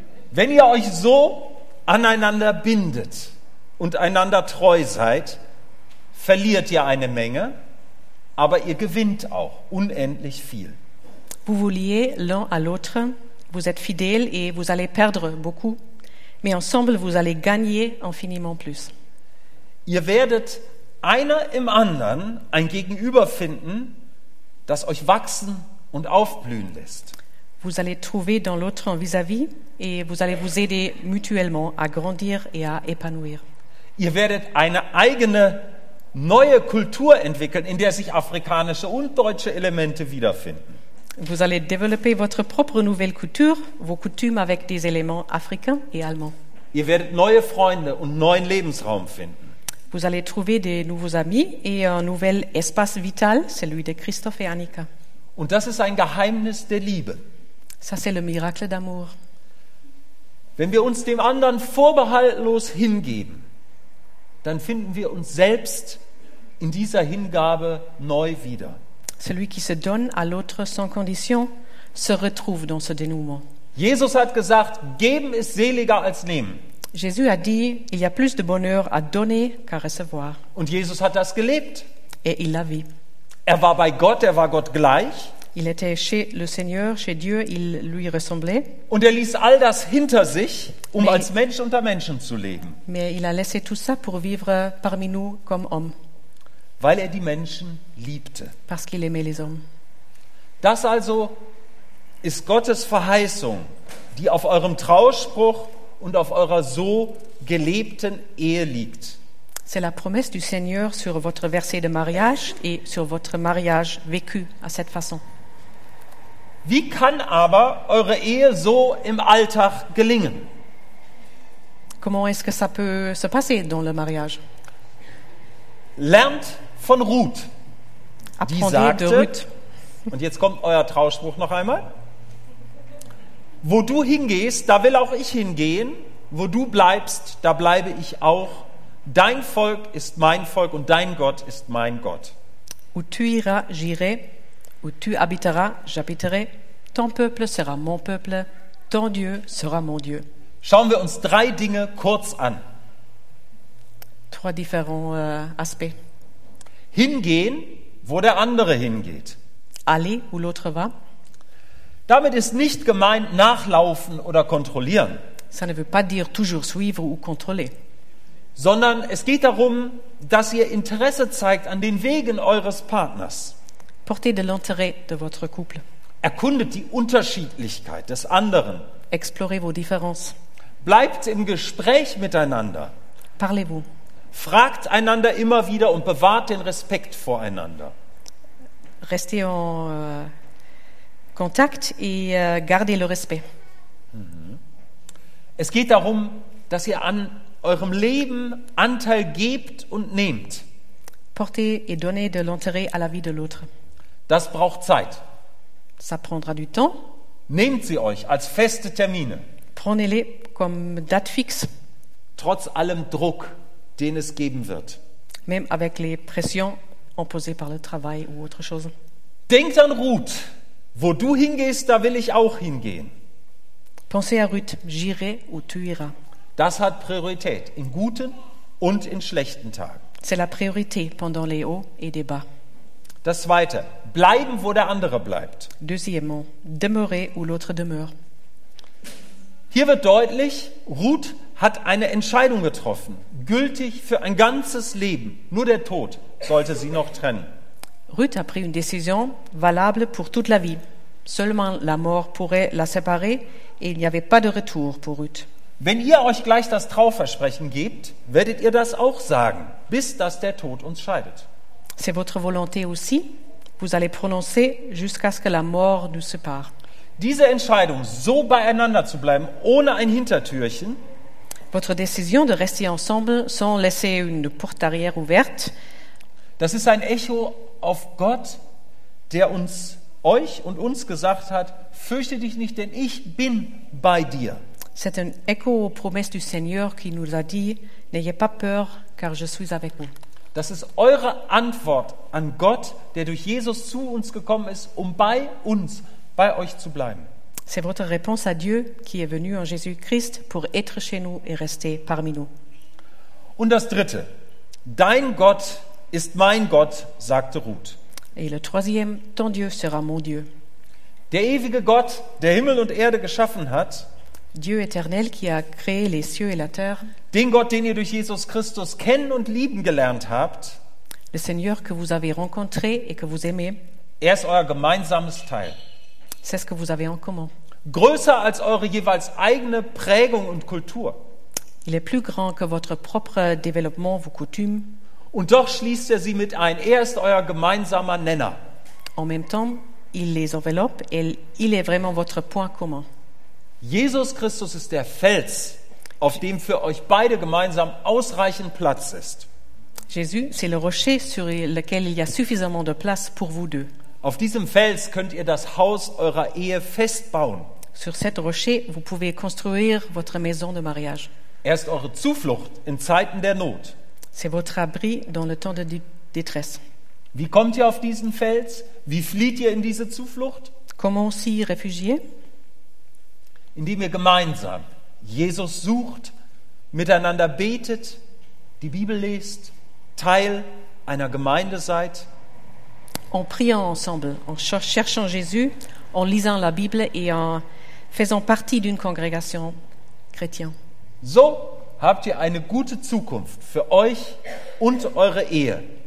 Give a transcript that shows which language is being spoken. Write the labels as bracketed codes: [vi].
[de] Wenn ihr euch so aneinander bindet und einander treu seid, verliert ihr eine Menge, aber ihr gewinnt auch unendlich viel. [fr] Vous vous liez l'un à l'autre, vous êtes fidèles et vous allez perdre beaucoup, mais ensemble vous allez gagner infiniment plus. [de] Ihr werdet einer im anderen ein Gegenüber finden, das euch wachsen und aufblühen lässt. [fr] Vous allez trouver dans l'autre un vis-à-vis et vous allez vous aider mutuellement à grandir et à épanouir. [de] Ihr werdet eine eigene neue Kultur entwickeln, in der sich afrikanische und deutsche Elemente wiederfinden. [fr] Vous allez développer votre propre nouvelle culture, vos coutumes avec des éléments africains et allemands. [de] Ihr werdet neue Freunde und neuen Lebensraum finden. [fr] Vous allez trouver des nouveaux amis et un nouvel espace vital, celui de Christoph et Annika. [de] Und das ist ein Geheimnis der Liebe. [fr] Ça, c'est le miracle d'amour. [de] Wenn wir uns dem anderen vorbehaltlos hingeben, dann finden wir uns selbst in dieser Hingabe neu wieder. [fr] Celui qui se donne à l'autre sans condition se retrouve dans ce dénouement. [de] Jesus hat gesagt, geben ist seliger als nehmen. [fr] Jésus a dit, il y a plus de bonheur à donner qu'à recevoir. [de] Und Jesus hat das gelebt. [fr] Et il l'a vu. [de] Er war bei Gott, er war Gott gleich. [fr] Il était chez le Seigneur, chez Dieu, il lui ressemblait. [de] Und er ließ all das hinter sich, um als Mensch unter Menschen zu leben. [fr] Mais il a laissé tout ça pour vivre parmi nous comme homme. [de] Weil er die Menschen liebte. [fr] Parce qu'il aimait les hommes. [de] Das also ist Gottes Verheißung, die auf eurem Trauspruch und auf eurer so gelebten Ehe liegt. [fr] C'est la promesse du Seigneur sur votre verset de mariage et sur votre mariage vécu à cette façon. [de] Wie kann aber eure Ehe so im Alltag gelingen? [fr] Comment est-ce que ça peut se passer dans le mariage? [de] Lernt von Ruth. [fr] Apprendez [de] die sagte, [fr] de Ruth. [de] Und jetzt kommt euer Trauspruch noch einmal. Wo du hingehst, da will auch ich hingehen. Wo du bleibst, da bleibe ich auch. Dein Volk ist mein Volk und dein Gott ist mein Gott. [fr] Où tu iras, j'irai. Où tu habiteras, j'habiterai. Ton peuple sera mon peuple. Ton Dieu sera mon Dieu. [de] Schauen wir uns drei Dinge kurz an. [fr] Trois différents aspects. [de] Hingehen, wo der andere hingeht. [fr] Aller, où l'autre va. [de] Damit ist nicht gemeint nachlaufen oder kontrollieren. [fr] Ça ne veut pas dire toujours suivre ou contrôler. [de] Sondern es geht darum, dass ihr Interesse zeigt an den Wegen eures Partners. [fr] Portez de l'intérêt de votre couple. [de] Erkundet die Unterschiedlichkeit des anderen. [fr] Explorez vos différences. [de] Bleibt im Gespräch miteinander. [fr] Parlez-vous. [de] Fragt einander immer wieder und bewahrt den Respekt voreinander. [fr] Restez en Kontakt et gardez le respect. [de] Es geht darum, dass ihr an eurem Leben Anteil gebt und nehmt. [fr] Portez et donnez de l'intérêt à la vie de l'autre. [de] Das braucht Zeit. [fr] Ça prendra du temps. [de] Nehmt sie euch als feste Termine. [fr] Prenez-les comme date fixe. [de] Trotz allem Druck, den es geben wird. [fr] Même avec les pressions imposées par le travail ou autre chose. [de] Denkt an Ruth. Wo du hingehst, da will ich auch hingehen. [fr] Pensez à Ruth, j'irai où tu iras. [de] Das hat Priorität in guten und in schlechten Tagen. [fr] C'est la priorité pendant les hauts et les bas. [de] Das zweite, bleiben, wo der andere bleibt. [fr] Deuxièmement, demeurer où l'autre demeure. [de] Hier wird deutlich, Ruth hat eine Entscheidung getroffen, gültig für ein ganzes Leben. Nur der Tod sollte sie noch trennen. [fr] Ruth a pris une décision valable pour toute la vie. Seulement la mort pourrait la séparer et il n'y avait pas de retour pour Ruth. [de] Wenn ihr euch gleich das Trauversprechen gebt, werdet ihr das auch sagen, bis dass der Tod uns scheidet. [fr] C'est votre volonté aussi. Vous allez prononcer jusqu'à ce que la mort nous sépare. [de] Diese Entscheidung, so beieinander zu bleiben, ohne ein Hintertürchen. [fr] Votre décision de rester ensemble sans laisser une porte arrière ouverte. [de] Das ist ein Echo auf Gott, der uns, euch und uns gesagt hat, fürchte dich nicht, denn ich bin bei dir. [fr] C'est un écho aux promesses du Seigneur qui nous a dit, n'ayez pas peur, car je suis avec vous. [de] Das ist eure Antwort an Gott, der durch Jesus zu uns gekommen ist, um bei uns, bei euch zu bleiben. [fr] C'est votre réponse à Dieu qui est venu en Jésus-Christ pour être chez nous et rester parmi nous. [de] Und das dritte, dein Gott ist mein Gott, sagte Ruth. [fr] Et le troisième, ton Dieu sera mon Dieu. [de] Der ewige Gott, der Himmel und Erde geschaffen hat, [fr] Dieu éternel qui a créé les cieux et la terre, [de] den Gott, den ihr durch Jesus Christus kennen und lieben gelernt habt, [fr] le Seigneur que vous avez rencontré et que vous aimez, [de] er ist euer gemeinsames Teil. [fr] C'est ce que vous avez en commun. [de] Größer als eure jeweils eigene Prägung und Kultur. [fr] Il est plus grand que votre propre développement, vos coutumes. [de] Und doch schließt er sie mit ein. Er ist euer gemeinsamer Nenner. [fr] En même temps, il les enveloppe et il est vraiment votre point commun. [de] Jesus Christus ist der Fels, auf dem für euch beide gemeinsam ausreichend Platz ist. [fr] Jésus, c'est le rocher sur lequel il y a suffisamment de place pour vous deux. [de] Auf diesem Fels könnt ihr das Haus eurer Ehe festbauen. [fr] Sur cet rocher, vous pouvez construire votre maison de mariage. [de] Er ist eure Zuflucht in Zeiten der Not. [fr] C'est votre abri dans le temps de détresse. [de] Wie kommt ihr auf diesen Fels? Wie flieht ihr in diese Zuflucht? [fr] Comment s'y réfugier? [de] Indem ihr gemeinsam Jesus sucht, miteinander betet, die Bibel lest, Teil einer Gemeinde seid. [fr] En priant ensemble, en cherchant Jésus, en lisant la Bible et en faisant partie d'une congrégation chrétienne. [de] So habt ihr eine gute Zukunft für euch und eure Ehe.